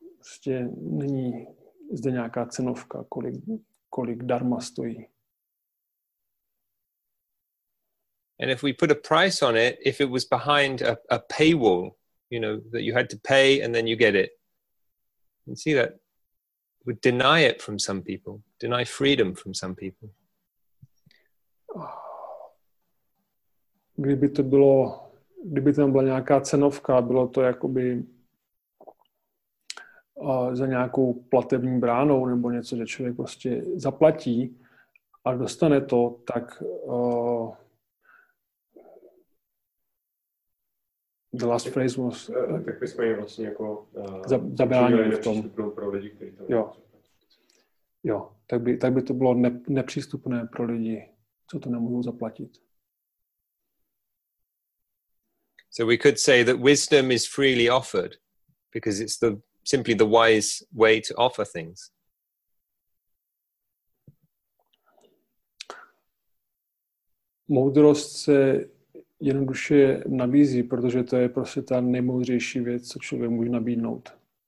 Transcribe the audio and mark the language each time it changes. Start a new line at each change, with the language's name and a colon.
Czech: Prostě není zde nějaká cenovka, kolik dharma stojí.
English: And if we put a price on it, if it was behind a paywall, you know, that you had to pay and then you get it. And see that would deny it from some people, deny freedom from some people.
Czech: Kdyby to bylo, kdyby tam byla nějaká cenovka, bylo to jakoby za nějakou platební bránou nebo něco, že člověk prostě zaplatí a dostane to, tak
English: the last phrase was...
Czech: Tak bychom jim vlastně jako zabránili v tom. Pro lidi, kteří to jo. Jo, tak by to bylo nepřístupné pro lidi, co to nemohou zaplatit.
English: So we could say that wisdom is freely offered because it's the simply the wise way to offer things.
Czech: Moudrost se jednoduše nabízí, protože to je prostě ta nejmoudřejší věc, co člověk může nabídnout.